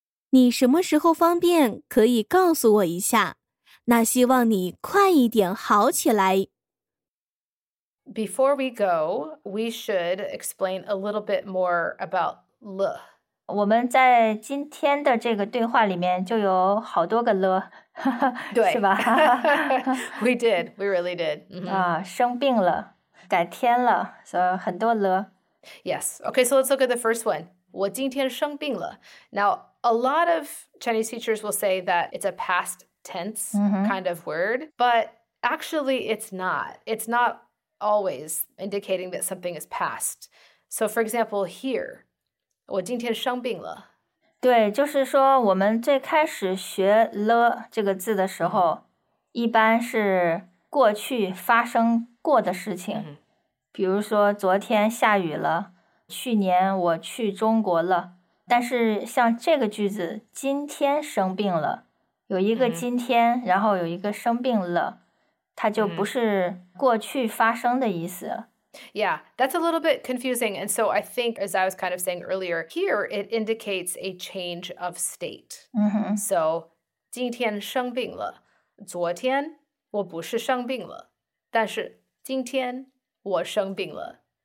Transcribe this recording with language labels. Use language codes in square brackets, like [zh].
[zh] 你什么时候方便可以告诉我一下，那希望你快一点好起来。 [en] Before we go, we should explain a little bit more about le. [zh] 我们在今天的这个对话里面就有好多个了，对，是吧 [en] ？We did, we really did. [zh] 啊，生病了，改天了，所以很多了。 [en] Yes, okay, so let's look at the first one. [zh] 我今天生病了。 [en] Now, a lot of Chinese teachers will say that it's a past tense kind of word, but actually it's not. It's not always indicating that something is past. So for example, here, [zh] 我今天生病了。对，就是说我们最开始学了这个字的时候，一般是过去发生过的事情。比如说昨天下雨了，去年我去中国了。但是像这个句子，今天生病了，有一个今天，然后有一个生病了，它就不是过去发生的意思。 [en] Yeah, that's a little bit confusing. And so I think, as I was kind of saying earlier, here it indicates a change of state. [zh] So, 今天生病了，昨天我不是生病了，但是今天我生病了。